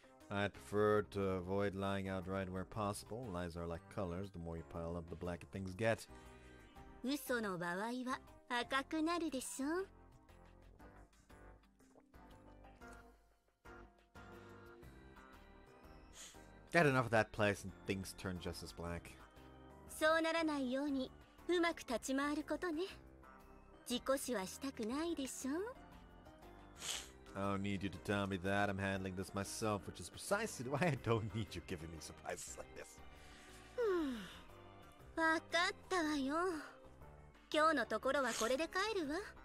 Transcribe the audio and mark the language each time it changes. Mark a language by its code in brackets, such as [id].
[en] I'd prefer to avoid lying outright where possible. Lies are like colors. The more you pile up, the blacker things get. [ja] 嘘の場合は赤くなるでしょ? [en] Get enough of that place and things turn just as black. [ja] そうならないようにうまく立ち回ることね。事故死はしたくないでしょ? [en] I don't need you to tell me that. I'm handling this myself, which is precisely why I don't need you giving me surprises like this. [ja] わかったわよ。今日のところはこれで帰るわ。